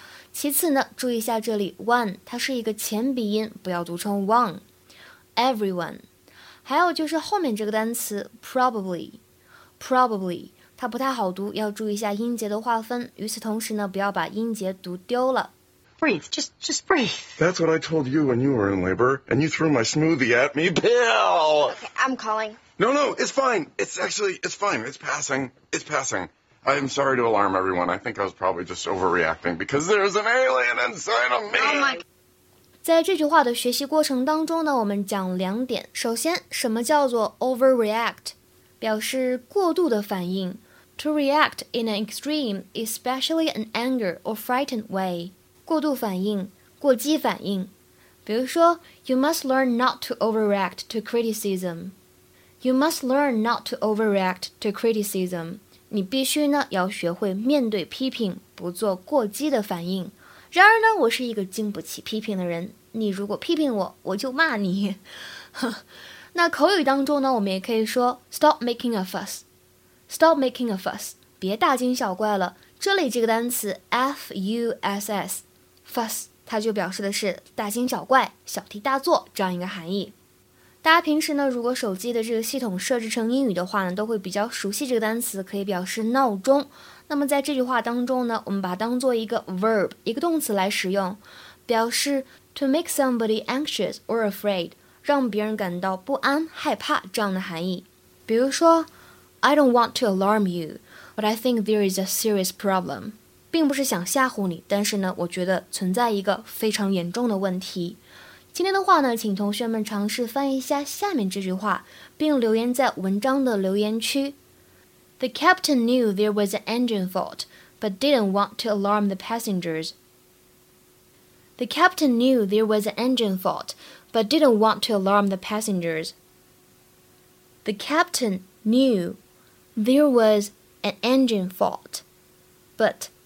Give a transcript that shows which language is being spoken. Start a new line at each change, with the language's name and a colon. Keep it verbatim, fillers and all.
Chinese: 其次呢，注意一下这里 one 它是一个前鼻音，不要读成 one everyone。还有就是后面这个单词 probably probably 它不太好读，要注意一下音节的划分。与此同时呢，不要把音节读丢了。
English: Breathe, just, just breathe. That's what I told you when you were in labor, and you threw my smoothie at me, Bill. Okay, I'm calling. No, no, it's fine. It's actually, it's fine. It's passing. It's passing. I am sorry to alarm everyone. I think I was probably just overreacting because there's an alien inside of me. Oh my.
Chinese: 在这句话的学习过程当中呢，我们讲两点。首先，什么叫做 overreact？ 表示过度的反应。
English: To react in an extreme, especially an anger or frightened way.
Chinese: 过度反应，过激反应。比如说
English: You must learn not to overreact to criticism. You must learn not to overreact to criticism.
Chinese: 你必须呢要学会面对批评，不做过激的反应。然而呢，我是一个经不起批评的人，你如果批评我，我就骂你。那口语当中呢，我们也可以说
English: Stop making a fuss. Stop making a fuss.
Chinese: 别大惊小怪了。这里这个单词 F U S S fuss 它就表示的是大惊小怪，小题大做这样一个含义。大家平时呢，如果手机的这个系统设置成英语的话呢，都会比较熟悉这个单词，可以表示闹钟。那么在这句话当中呢，我们把它当做一个 verb 一个动词来使用，表示
English: to make somebody anxious or afraid
Chinese: 让别人感到不安害怕这样的含义。比如说
English: I don't want to alarm you, but I think there is a serious problem.
Chinese: 并不是想吓唬你，但是呢，我觉得存在一个非常严重的问题。今天的话呢，请同学们尝试翻译一下下面这句话，并留言在文章的留言区。
English: The captain knew there was an engine fault, but didn't want to alarm the passengers. The captain knew there was an engine fault, but didn't want to alarm the passengers. The captain knew there was an engine fault, but...